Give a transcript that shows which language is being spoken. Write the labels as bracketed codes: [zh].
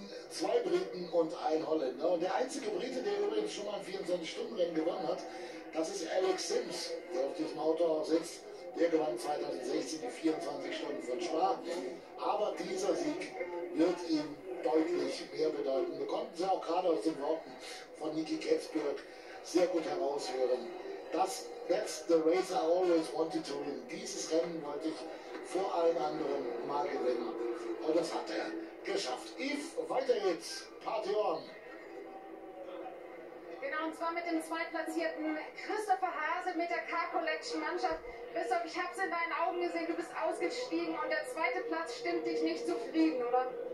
[de] Zwei Briten und ein Holländer. Und der einzige Brite, der übrigens schon mal ein 24-Stunden-Rennen gewonnen hat, das ist Alex Sims, der auf diesem Auto sitzt. Der gewann 2016 die 24 Stunden von Spa. Aber dieser Sieg wird ihm deutlich mehr bedeuten. Wir konnten es ja auch gerade aus den Worten von Nicky Katzberg sehr gut heraushören. [en] That's the race I always wanted to win. [de] Dieses Rennen wollte ich vor allen anderen mal gewinnen. Und das hat er geschafft. Yves, weiter geht's. [en] Party on. [de] Genau, und zwar mit dem zweitplatzierten Christopher Hase mit der Car Collection Mannschaft. Christoph, ich habe es in deinen Augen gesehen, du bist ausgestiegen und der zweite Platz stimmt dich nicht zufrieden, oder?